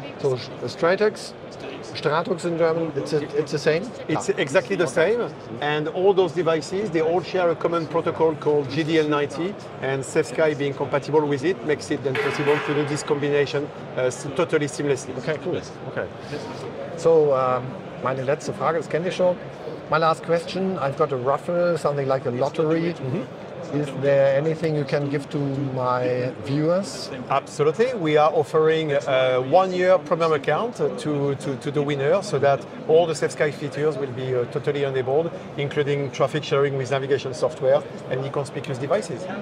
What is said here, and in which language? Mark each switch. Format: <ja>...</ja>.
<en>So Stratux, Stratux in German, it's the same? It's exactly the same. And all those devices, they all share a common protocol called GDL90. And SafeSky being compatible with it makes it then possible to do this combination totally seamlessly. Okay, cool. Okay.</en> <de>So, meine letzte Frage, das kenne ich schon.</de> <en>My last question, I've got a raffle, something like a lottery. Mm-hmm. Is there anything you can give to my viewers? Absolutely. We are offering a one-year premium account to the winner so that all the SafeSky features will be totally enabled, including traffic sharing with navigation software and inconspicuous devices.</en>